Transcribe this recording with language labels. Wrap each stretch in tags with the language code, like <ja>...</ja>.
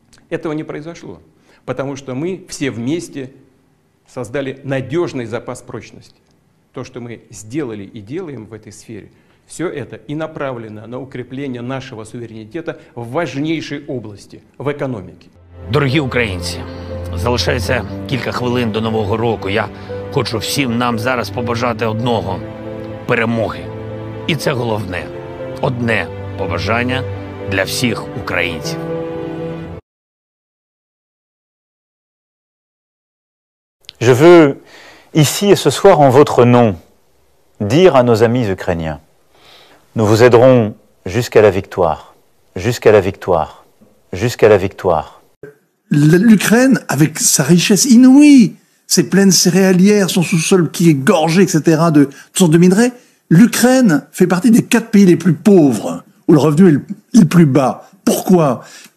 <ru>Этого не произошло, потому что мы все вместе создали надежный запас прочности. То, что мы сделали и делаем в этой сфере, все это и направлено на укрепление нашего суверенитета в важнейшей области, в экономике.</ru> <uk>Дорогі українці, залишається кілька хвилин до Нового року. Я хочу всім нам зараз побажати одного – перемоги. І це головне – одне побажання для всіх українців.</uk> <fr>Je veux ici et ce soir en votre nom dire à nos amis ukrainiens, nous vous aiderons jusqu'à la victoire, jusqu'à la victoire, jusqu'à la victoire. L'Ukraine, avec sa richesse inouïe, ses plaines céréalières, son sous-sol qui est gorgé, etc., de toutes sortes de minerais, l'Ukraine fait partie des quatre pays les plus pauvres, où le revenu est le plus bas. Pourquoi ?</fr>